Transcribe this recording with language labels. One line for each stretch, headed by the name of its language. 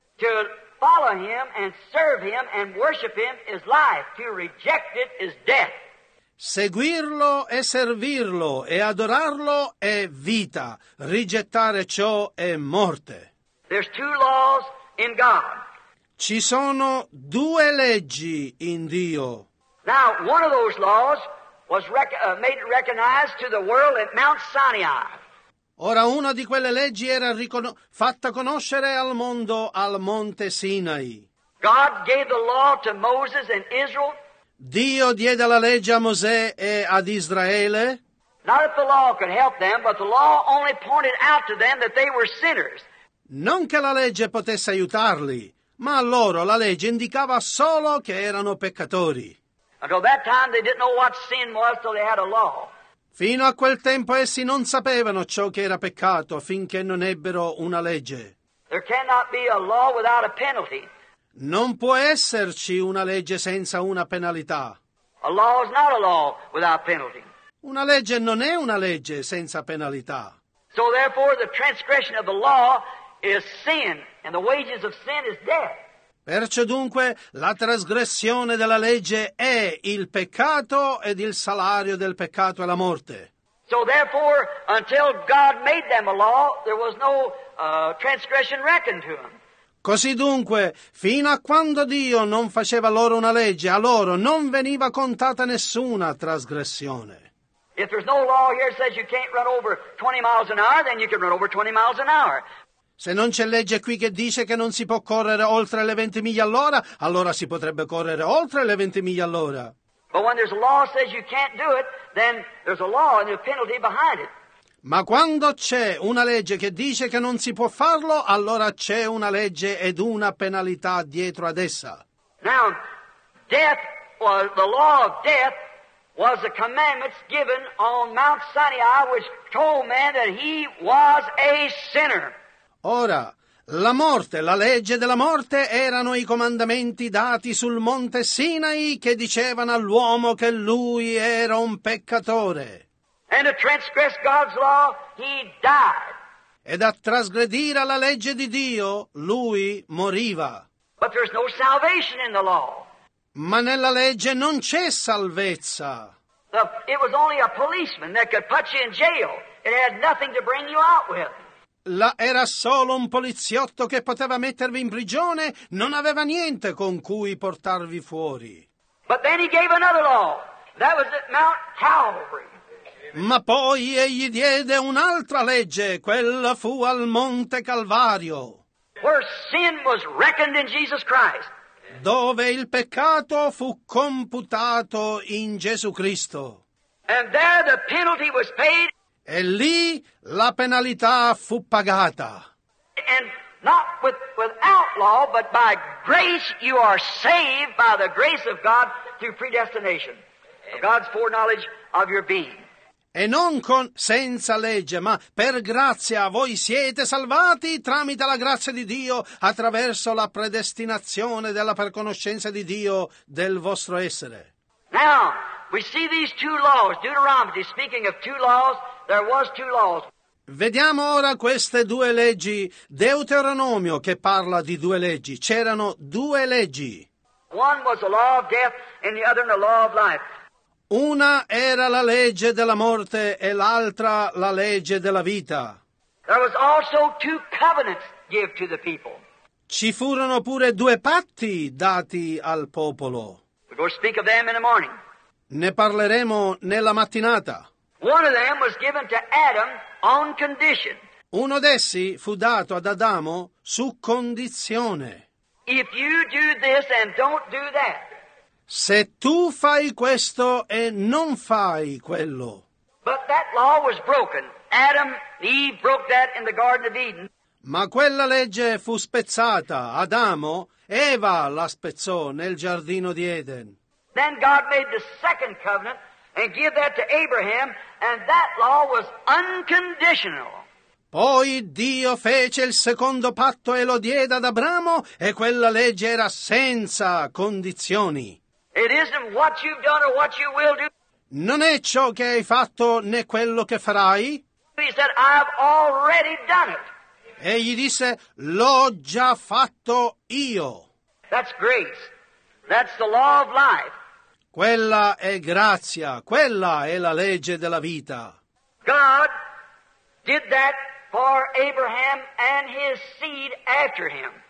English: To follow him and serve him and worship him is life. To reject it is death.
Italian: Seguirlo e servirlo e adorarlo è vita, rigettare ciò è morte.
English: There's two laws in God.
Italian: Ci sono due leggi in Dio.
English: Now, one of those laws was made recognized to the world at Mount Sinai.
Italian: Ora una di quelle leggi era fatta conoscere al mondo al Monte Sinai.
English: God gave the law to Moses and Israel.
Italian: Dio diede la legge a Mosè e ad Israele.
English: Not that the law could help them, but the law only pointed out to them that they were sinners.
Italian: Non che la legge potesse aiutarli, ma a loro la legge indicava solo che erano peccatori.
English: Until that time they didn't know what sin was till they had a law.
Italian: Fino a quel tempo essi non sapevano ciò che era peccato finché non ebbero una legge.
English: There cannot be a law without a penalty.
Italian: Non può esserci una legge senza una penalità.
English: A law is not a law without penalty.
Italian: Una legge non è una legge senza penalità.
English: So therefore the transgression of the law is sin, and the wages of sin is death.
Italian: Perciò dunque la trasgressione della legge è il peccato ed il salario del peccato è la morte.
English: So therefore until God made them a law there was no transgression reckoned to them.
Italian: Così dunque, fino a quando Dio non faceva loro una legge, a loro non veniva contata nessuna trasgressione.
English: If there's no law here that says you can't run over 20 miles an hour, then you can run over 20 miles an hour.
Italian: Se non c'è legge qui che dice che non si può correre oltre le 20 miglia all'ora, allora si potrebbe correre oltre le 20 miglia all'ora.
English: But when there's a law that says you can't do it, then there's a law and a penalty behind it.
Italian: Ma quando c'è una legge che dice che non si può farlo, allora c'è una legge ed una penalità dietro ad essa.
English: Now, death, well, the law of death was the commandments given on Mount Sinai which told man that he was a sinner.
Italian: Ora, la morte, la legge della morte erano i comandamenti dati sul monte Sinai che dicevano all'uomo che lui era un peccatore.
English: And to transgress God's law, he died.
Italian: Ed a trasgredire la legge di Dio, lui moriva.
English: But there's no salvation in the law.
Italian: Ma nella legge non c'è salvezza.
English: It was only a policeman that could put you in jail. It had nothing to bring you out with.
Italian: Era solo un poliziotto che poteva mettervi in prigione, non aveva niente con cui portarvi fuori.
English: But then he gave another law. That was at Mount Calvary.
Italian: Ma poi egli diede un'altra legge, quella fu al Monte Calvario.
English: Where sin was reckoned in Jesus Christ.
Italian: Dove il peccato fu computato in Gesù Cristo.
English: And there the penalty was paid.
Italian: E lì la penalità fu pagata.
English: And not without law, but by grace you are saved by the grace of God through predestination. Of God's foreknowledge of your being.
Italian: E non con senza legge, ma per grazia voi siete salvati tramite la grazia di Dio attraverso la predestinazione della preconoscenza di Dio del vostro essere.
English: Now, we see these two laws, Deuteronomy speaking of two laws, there was two laws.
Italian: Vediamo ora queste due leggi, Deuteronomio che parla di due leggi, c'erano due leggi.
English: One was the law of death and the other the law of life.
Italian: Una era la legge della morte e l'altra la legge della vita.
English: There was also two covenants given to the people.
Italian: Ci furono pure due patti dati al popolo.
English: We'll speak of them in the morning.
Italian: Ne parleremo nella mattinata.
English: One of them was given to Adam on condition.
Italian: Uno d'essi fu dato ad Adamo su condizione.
English: If you do this and don't do that.
Italian: Se tu fai questo e non fai quello.
English: But that law was broken. Adam and Eve broke that in the Garden of Eden.
Italian: Ma quella legge fu spezzata. Adamo, Eva la spezzò nel giardino di Eden.
English: Then God made the second covenant and gave that to Abraham, and that law was unconditional.
Italian: Poi Dio fece il secondo patto e lo diede ad Abramo, e quella legge era senza condizioni.
English: It isn't what you've done or what you will do.
Italian: Non è ciò che hai fatto né quello che farai.
English: He said, I've already done it.
Italian: Egli disse, l'ho già fatto io.
English: That's grace. That's the law of life.
Italian: Quella è grazia. Quella è la legge della vita.
English: God did that for Abraham and his seed after him.